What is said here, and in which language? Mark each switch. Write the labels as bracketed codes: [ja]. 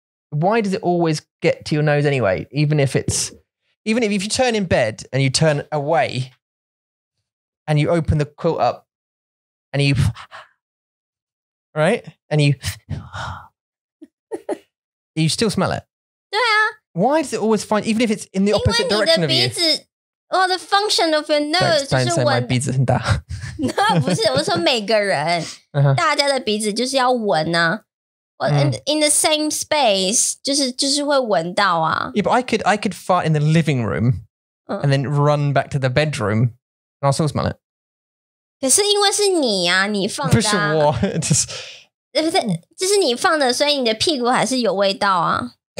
[en] Why does it always get to your nose anyway? Even if you turn in bed and you turn away and you open the quilt up and you, right? And you, you still smell it. [zh] 对啊。 [en] Why does it always find, even if it's in the opposite direction of you? Oh, the function of your nose. Don't say my [zh] 鼻子很大。那不是，我说每个人，大家的鼻子就是要闻啊。 [en] In the same space, [zh] 就是会闻到啊。 [en] Yeah, but I could fart in the living room and then run back to the bedroom and I'll still smell it. [zh] 可是因为是你啊，你放的。不是我，就是你放的，所以你的屁股还是有味道啊。